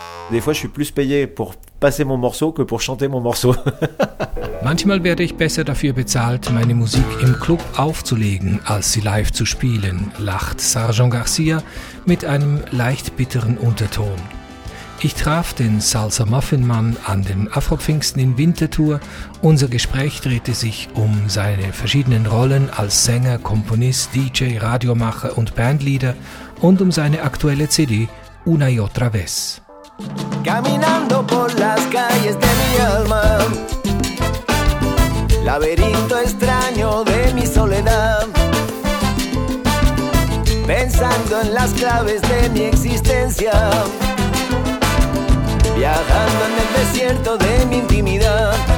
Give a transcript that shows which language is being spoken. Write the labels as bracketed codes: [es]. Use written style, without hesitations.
[fr] Des fois, je suis plus payé pour passer mon morceau que pour chanter mon morceau. [de] Manchmal werde ich besser dafür bezahlt, meine Musik im Club aufzulegen, als sie live zu spielen, lacht Sergeant Garcia mit einem leicht bitteren Unterton. Ich traf den Salsa-Muffin-Mann an den Afropfingsten in Winterthur. Unser Gespräch drehte sich um seine verschiedenen Rollen als Sänger, Komponist, DJ, Radiomacher und Bandleader und um seine aktuelle CD Una y otra vez. [es] Caminando por las calles de mi alma, laberinto extraño de mi soledad, pensando en las claves de mi existencia, viajando en el desierto de mi intimidad,